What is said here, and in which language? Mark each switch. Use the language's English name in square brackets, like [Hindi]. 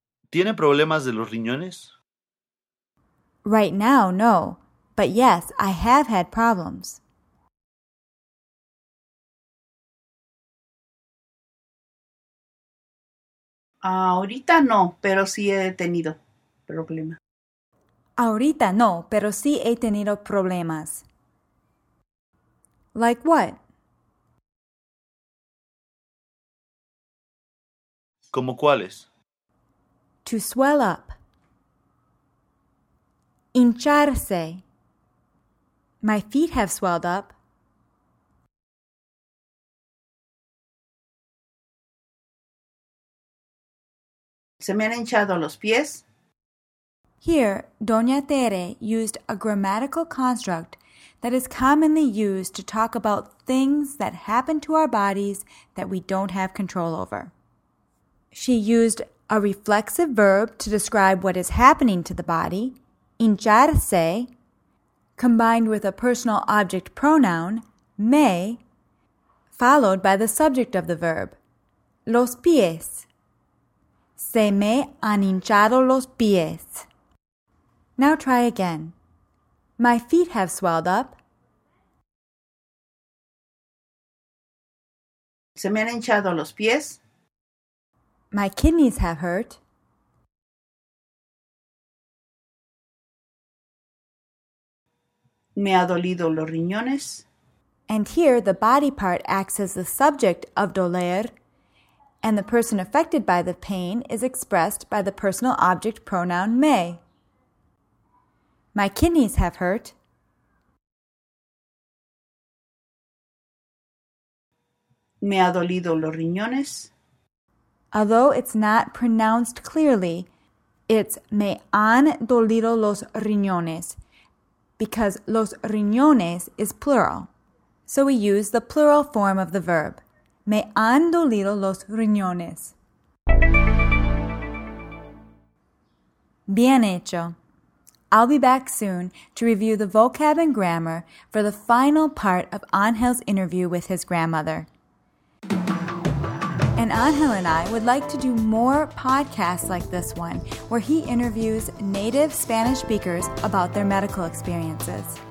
[Spanish] ¿Tiene problemas de los riñones? [English] Right now, no. But yes, I have had problems. [Spanish] Ahorita no, pero sí he tenido problemas. Ahorita no, pero sí he tenido problemas. [English] Like what? [Spanish] ¿Cómo cuáles? [English] To swell up. [Spanish] Hincharse. [English] My feet have swelled up. [Spanish] Se me han hinchado los pies. [English] Here, Doña Tere used a grammatical construct that is commonly used to talk about things that happen to our bodies that we don't have control over. She used a reflexive verb to describe what is happening to the body, hincharse, combined with a personal object pronoun, me, followed by the subject of the verb, los pies. [Spanish] Se me han hinchado los pies. [English] Now try again. My feet have swelled up. [Spanish] Se me han hinchado los pies. [English] My kidneys have hurt. [Spanish] Me ha dolido los riñones. [English] And here the body part acts as the subject of doler, and the person affected by the pain is expressed by the personal object pronoun me. My kidneys have hurt. [Spanish] Me ha dolido los riñones. [English] Although it's not pronounced clearly, it's [Spanish] me han dolido los riñones, [English] because los riñones is plural. So we use the plural form of the verb. [Spanish] Me han dolido los riñones. Bien hecho. [English] I'll be back soon to review the vocab and grammar for the final part of Angel's interview with his grandmother. And Angel and I would like to do more podcasts like this one, where he interviews native Spanish speakers about their medical experiences.